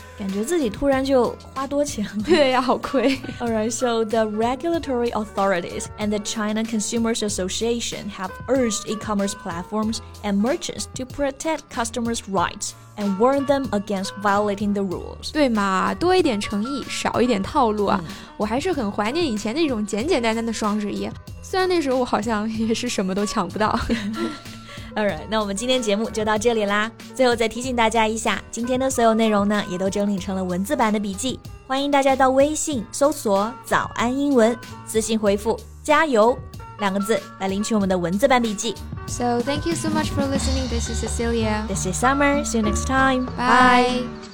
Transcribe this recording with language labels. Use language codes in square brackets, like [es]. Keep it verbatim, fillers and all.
[zh] 感觉自己突然就花多钱了。对呀，好亏。 [en] Alright, so the regulatory authorities and the China Consumers Association have urged e-commerce platforms and merchants to protect customers' rights and warn them against violating the rules. [zh] 对嘛，多一点诚意，少一点套路啊！嗯，我还是很怀念以前那种简简单单的双十一，虽然那时候我好像也是什么都抢不到。 [en] Alright, [zh] 那我们今天节目就到这里啦。最后再提醒大家一下，今天的所有内容呢也都整理成了文字版的笔记，欢迎大家到微信搜索早安英文，私信回复加油两个字来领取我们的文字版笔记。 [en] So thank you so much for listening. This is Cecilia. This is Summer. See you next time. Bye, bye.